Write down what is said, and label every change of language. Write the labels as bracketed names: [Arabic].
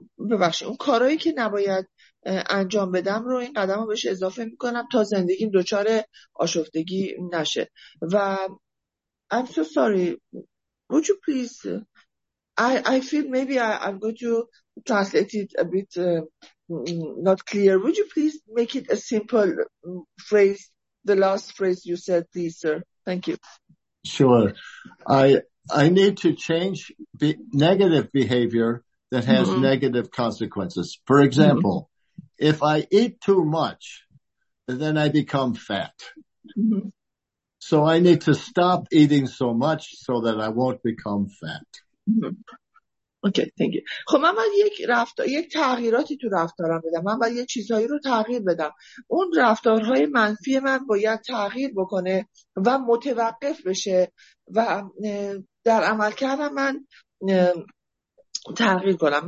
[Persian] ببخشید اون کارهایی که نباید انجام بدم رو این قدم رو بهش اضافه میکنم تا زندگیم دچار آشفتگی نشه. [English] و I'm so sorry. Would you please? I feel maybe I'm going to translate it a bit not clear. Would you please make it a simple phrase? The last phrase you said, please, sir. Thank you. Sure. I need to change negative behavior that has mm-hmm. negative consequences. For example, mm-hmm. if I eat too much, then I become fat. Mm-hmm. So I need to stop eating so much so that I won't become fat. Mm-hmm. Okay, thank you. [Persian] خب من باید یک تغییراتی تو رفتارم بدم. من باید یه چیزهایی رو تغییر بدم. اون رفتارهای منفی من باید تغییر بکنه و متوقف بشه و در عمل کردم من تغییر کنم.